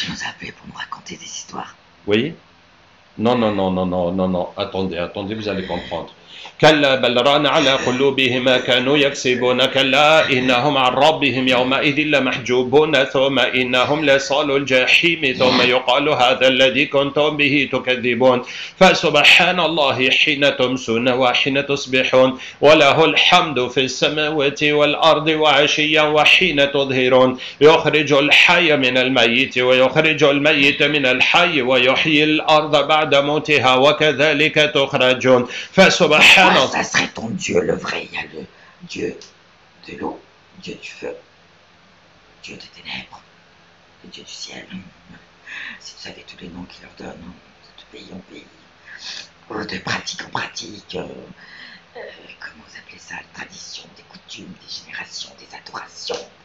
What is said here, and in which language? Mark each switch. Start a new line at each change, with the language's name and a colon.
French: Vous appelez pour me raconter des histoires? Oui? Non, non, non, non, non, non, non. Attendez, attendez, vous allez comprendre.
Arabic: كلا بل ران على قلوبهم ما كانوا يكسبون كلا إنهم عن ربهم يومئذ لمحجوبون ثم إنهم لصالوا الجحيم ثم يقال هذا الذي كنتم به تكذبون فسبحان الله حين تمسون وحين تصبحون وله الحمد في السماوات والأرض وعشيا وحين تظهرون يخرج الحي من الميت ويخرج الميت من الحي ويحيي الأرض بعد موتها وكذلك تخرجون فسبحان
French: Ah, ça serait ton Dieu, le vrai. Il y a le Dieu de l'eau, Dieu du feu, Dieu des ténèbres, le Dieu du ciel. Si tu savais tous les noms qu'il leur donne, de pays en pays, de pratique en pratique, comment vous appelez ça, les traditions, des coutumes, des générations, des adorations.